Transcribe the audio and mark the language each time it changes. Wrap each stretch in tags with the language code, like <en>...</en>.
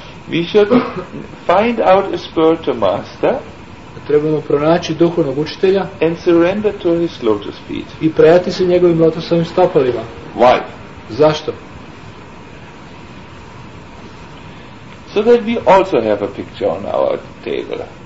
<en>We should find out a spiritual master.</en> <sr>Trebamo pronaći duhovnog učitelja.</sr> <en>And surrender to his lotus feet.</en> <sr>I predati se njegovim lotosovim stopalima.</sr> <en>Why?</en> <sr>Zašto?</sr> <en>So that we also have a picture on our table.</en>